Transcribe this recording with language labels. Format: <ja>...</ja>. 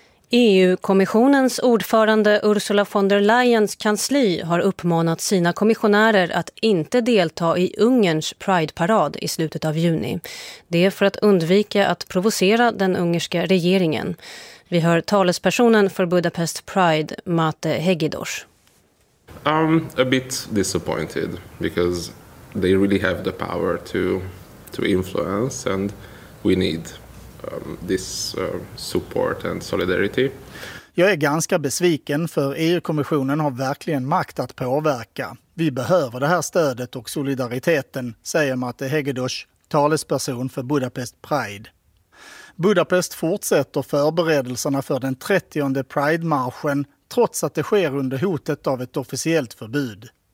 <sv>EU-kommissionens ordförande Ursula von der Leyens kansli har uppmanat sina kommissionärer att inte delta i Ungerns Pride-parad i slutet av juni. Det är för att undvika att provocera den ungerska regeringen. Vi hör talespersonen för Budapest Pride, Mate Hegedors.</sv> <en>I'm a bit disappointed because they really have the power to influence and we need support and solidarity.</en> <sv>Jag är ganska besviken för EU-kommissionen har verkligen makt att påverka. Vi behöver det här stödet och solidariteten, säger Mate Hegedos, talesperson för Budapest Pride. Budapest fortsätter förberedelserna för den 30:e Pride-marschen trots att det sker under hotet av ett officiellt förbud.</sv>